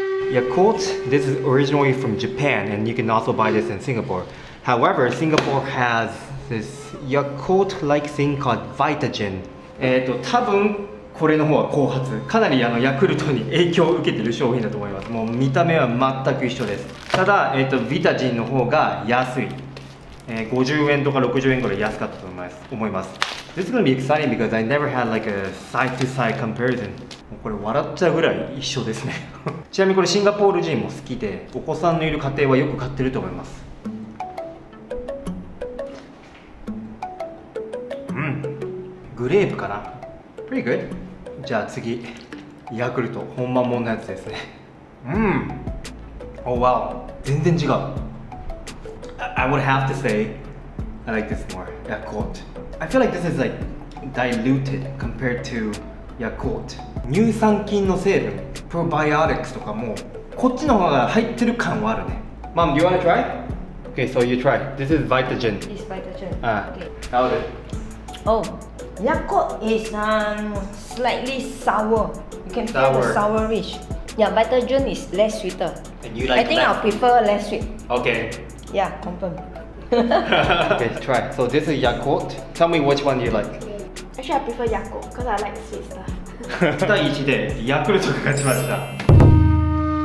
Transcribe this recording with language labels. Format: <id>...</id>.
<en>Yakult, this is originally from Japan, and you can also buy this in Singapore. However, Singapore has this Yakult-like thing called Vitagen.</en> <ja>多分これの方は後発。かなりヤクルトに影響を受けている商品だと思います。もう見た目は全く一緒です。ただ、Vitagen の方が安い。 50円とか60円ぐらい安かったと思います。</ja> <en>This is gonna be exciting because I never had like a side-to-side comparison.</en> <ja>これ笑っちゃうぐらい一緒ですね。ちなみにこれシンガポール人も好きで、お子さんのいる家庭はよく買ってると思います。うん、グレープかな。</ja> <en>Pretty good.</en> <ja>じゃあ次、ヤクルト、本間もんのやつですね。うん。 Oh wow. 全然違う。</ja> <en>I would have to say I like this more. Yakult. I feel like this is like diluted compared to Yakult.</en> <ja>乳酸菌の成分、probiotics とかもこっちの方が入ってる感はあるね。</ja> <en>Mom, do you want to try? Okay, so you try. This is Vitagen. It's Vitagen. Okay. How is it? Oh, Yakult is slightly sour. You can feel the sourish. Yeah, Vitagen is less sweeter. And you like I think that? I prefer less sweet. Okay. Yeah, confirm. Okay, try. So this is Yakult. Tell me which one you like. Actually, I prefer Yakult because I like sweet stuff.</en> <ja>2対1でヤクルトが勝ちました。</ja>